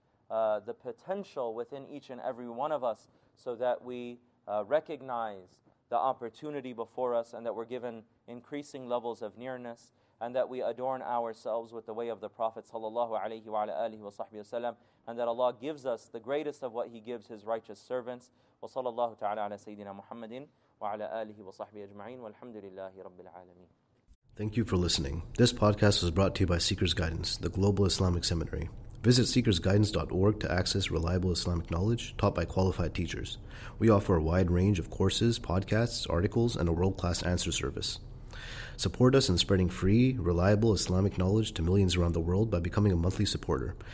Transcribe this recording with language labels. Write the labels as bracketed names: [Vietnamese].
[English] the potential within each and every one of us so that we recognize the opportunity before us, and that we're given increasing levels of nearness, and that we adorn ourselves with the way of the Prophet sallallahu alayhi wa alihi wa sahbihi wasallam, and that Allah gives us the greatest of what He gives His righteous servants. [Arabic] Wa sallallahu ta'ala ala Sayyidina Muhammadin وعلى آله وصحبه أجمعين والحمد لله رب العالمين. [English] Thank you for listening. This podcast was brought to you by Seekers Guidance, the Global Islamic Seminary. Visit seekersguidance.org to access reliable Islamic knowledge taught by qualified teachers. We offer a wide range of courses, podcasts, articles, and a world-class answer service. Support us in spreading free, reliable Islamic knowledge to millions around the world by becoming a monthly supporter.